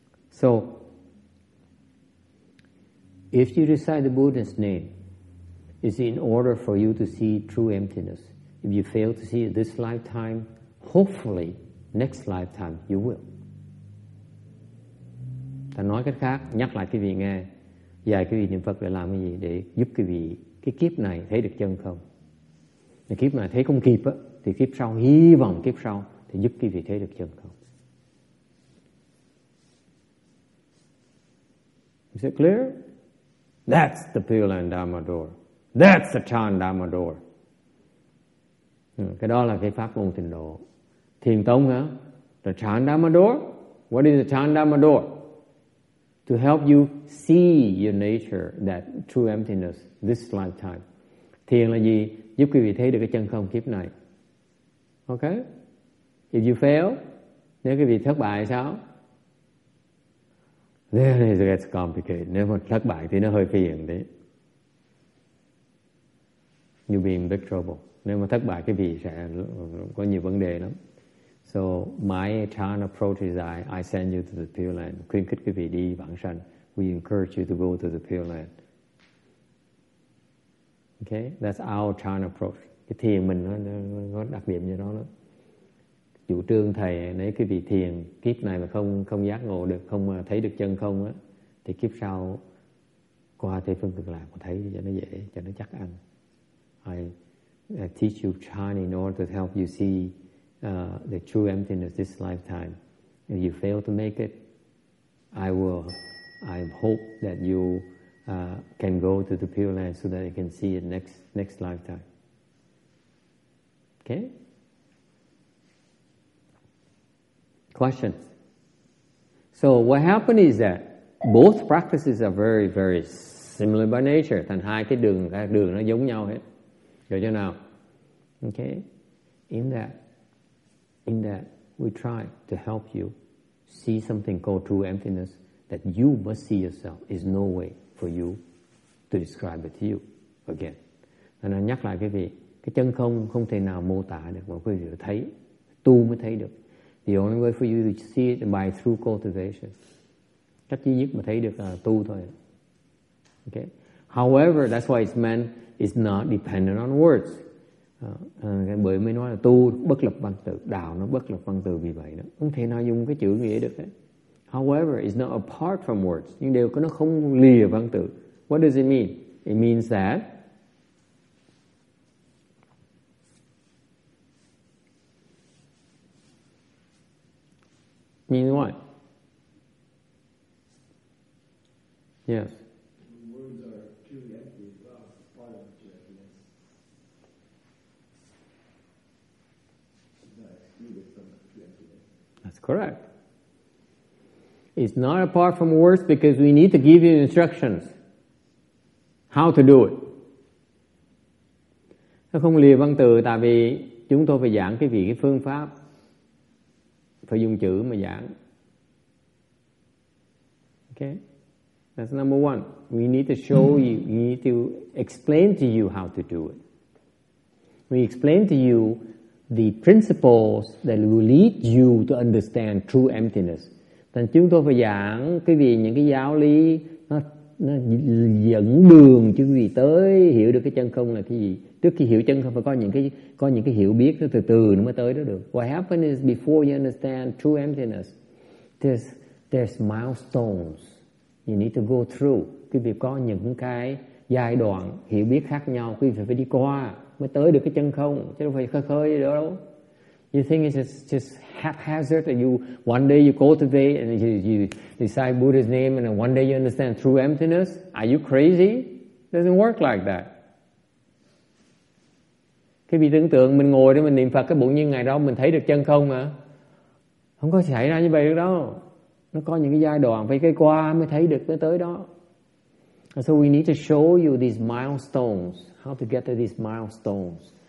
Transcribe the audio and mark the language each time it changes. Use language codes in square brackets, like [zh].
[en] So, if you recite the Buddha's name, it's in order for you to see true emptiness. If you fail to see it this lifetime, hopefully, next lifetime, you will. [vi] Ta nói cách khác, nhắc lại quý vị nghe, dạy quý vị niệm Phật để làm cái gì? Để giúp quý vị cái kiếp này thấy được chân không? Cái kiếp này thấy không kịp, thì kiếp sau, hy vọng kiếp sau, thì giúp quý vị thấy được chân không? [en] Is it clear? That's the Pure Land Dharma door. That's the Chan Dharma door. [vi] Cái đó là cái pháp môn tịnh độ. Thiền tông hả? [en] The Chan Dharma door? What is the Chan Dharma door? To help you see your nature, that true emptiness, this lifetime. [vi] Thiền là gì? Giúp quý vị thấy được cái chân không kiếp này. Okay? [en] If you fail, [vi] nếu quý vị thất bại sao? [en] Then it gets complicated. [vi] Nếu mà thất bại thì nó hơi phiền đấy. [en] You'll be in big trouble. [vi] Nếu mà thất bại cái vị sẽ có nhiều vấn đề lắm. [en] So my Chan approach is I send you to the Pure Land. [vi] Khuyến khích cái vị đi vãng sanh. [en] We encourage you to go to the Pure Land. Okay, that's our Chan approach. [vi] Cái thiền mình nó đặc biệt như đó lắm. Chủ trương thầy nếu cái vị thiền kiếp này mà không giác ngộ được, không thấy được chân không á, thì kiếp sau qua Tây Phương Cực Lạc thấy cho nó dễ, cho nó chắc ăn. [en] I teach you Chan in order to help you see the true emptiness this lifetime. If you fail to make it, I hope that you can go to the Pure Land so that you can see it next lifetime. Okay? Questions. So what happened is that both practices are very, very similar by nature. [vi] Thành hai cái đường nó giống nhau hết. Hiểu chưa nào? Okay. [en] In that, we try to help you see something called true emptiness that you must see yourself. Is no way for you to describe it to you again. [vi] Nên nhắc lại quý vị, cái chân không không thể nào mô tả được mà quý vị thấy, tu mới thấy được. [en] The only way for you to see it is by through cultivation. [vi] Cách duy nhất mà thấy được là tu thôi. [en] Okay. However, that's why it's meant it's not dependent on words. [vi] Bởi mới nói là tu bất lập văn từ, đạo nó bất lập văn từ vì vậy đó. Không thể nào dùng cái chữ nghĩa được ấy. [en] However, it's not apart from words. [vi] Nhưng điều nó không lìa văn từ. [en] What does it mean? It means that mean what? Yes. Words are truly empty. part of the journey. It's not excluded from the journey. That's correct. It's not apart from words because we need to give you instructions how to do it. [vi] Nó không lìa văn từ tại vì chúng tôi phải giảng cái việc, cái phương pháp phải dùng chữ mà giảng. [en] Okay, that's number one. We need to show you, we need to explain to you how to do it. We explain to you the principles that will lead you to understand true emptiness. [vi] Thành chúng tôi phải giảng cái vì những cái giáo lý nó dẫn đường chứ gì tới hiểu được cái chân không là cái gì. Trước khi hiểu chân không phải có những cái hiểu biết, từ từ nó mới tới đó được. [en] What happens is before you understand true emptiness, there's milestones you need to go through. [vi] Quý vị có những cái giai đoạn hiểu biết khác nhau quý vị phải đi qua mới tới được cái chân không, chứ đâu phải khơi khơi gì đâu. [en] You think it's just haphazard that you one day you cultivate and you decide Buddha's name and then one day you understand true emptiness? Are you crazy? It doesn't work like that. [vi] Cái vị tưởng tượng mình ngồi để mình niệm Phật cái bụng như ngày đó mình thấy được chân không mà. Không có xảy ra như vậy được đâu. Nó có những cái giai đoạn phải cái qua mới thấy được tới tới đó. [en] And so we need to show you these milestones. How to get to these milestones.